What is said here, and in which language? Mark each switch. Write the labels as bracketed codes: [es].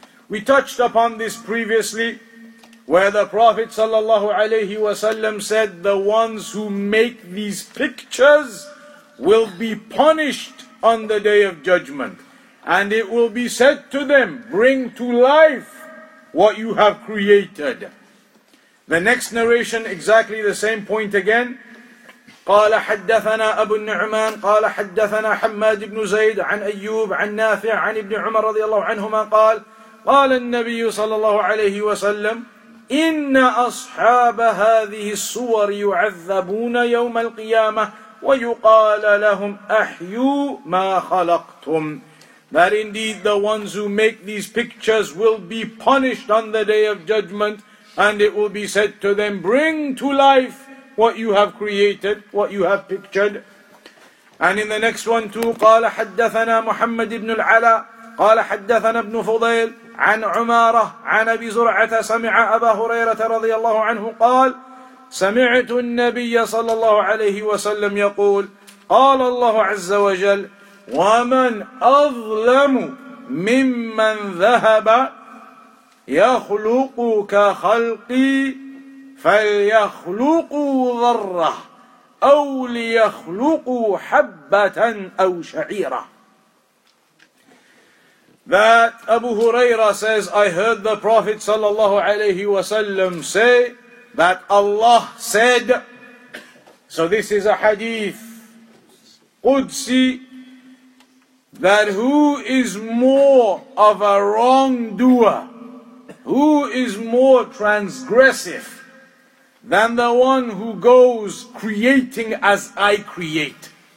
[en] We touched upon this previously, where the Prophet sallallahu alayhi wasallam said, the ones who make these pictures will be punished on the day of judgment, and it will be said to them, bring to life what you have created. The next narration, exactly the same point again. [ar] قال حدثنا أبو النعمان قال حدثنا حماد بن زيد عن أيوب عن نافع عن ابن عمر رضي الله عنهما قال قال النبي صلى الله عليه وسلم إن أصحاب هذه الصور يعذبون يوم القيامة ويقال لهم أحيوا ما خلقتم. [en] That indeed the ones who make these pictures will be punished on the day of judgment. And it will be said to them, bring to life what you have created, what you have pictured. And in the next one too, [ar] قال حدثنا محمد بن العلاء قال حدثنا ابن فضيل عن عمارة عن أبي زرعة سمع أبا هريرة رضي الله عنه قال سمعت النبي صلى الله عليه وسلم يقول قال الله عز وجل ومن أظلم ممن ذهب يخلق كخلقي فليخلقوا ذرة أو ليخلقوا حبة أو شعيرة. [en] That Abu Huraira says, I heard the Prophet sallallahu alayhi wa sallam say that Allah said, so this is a hadith Qudsi, that who is more of a wrongdoer, who is more transgressive than the one who goes creating as I create?